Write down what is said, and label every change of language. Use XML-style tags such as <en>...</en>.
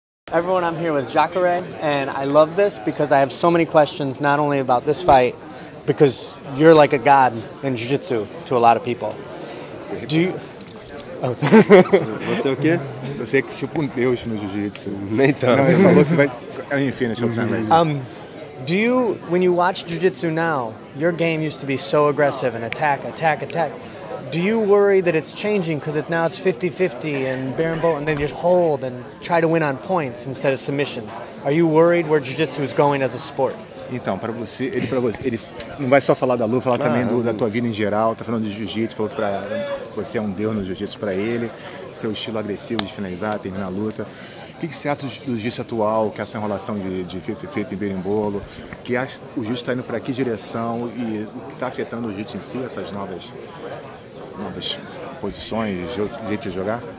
<en>Everyone, I'm here with Jacare, and I love this because I have so many questions, not only about this fight, because you're like a god in jiu-jitsu to a lot of people. Do you...</en> <pt>Você é o quê? Você é tipo um deus no jiu-jitsu. Nem tanto. Não, ele falou que vai... Enfim, deixa eu falar mais.</pt> <en>Do you, when you watch jiu-jitsu now, your game used to be so aggressive and attack, attack, attack. Do you worry that it's changing because it's now it's 50-50 and bear and bolt and they just hold and try to win on points instead of submission? Are you worried where jiu-jitsu is going as a sport?</en> <pt>Então, para você, ele não vai só falar da luta, falar também da tua vida em geral, tá falando de jiu-jitsu, falou que pra, você é um deus no jiu-jitsu para ele, seu estilo agressivo de finalizar, terminar a luta. O que você acha do jiu-jitsu atual, que é essa enrolação de fita e berimbolo, que acha, o jiu-jitsu está indo para que direção e o que está afetando o jiu-jitsu em si, essas novas posições, jeito de jogar?</pt>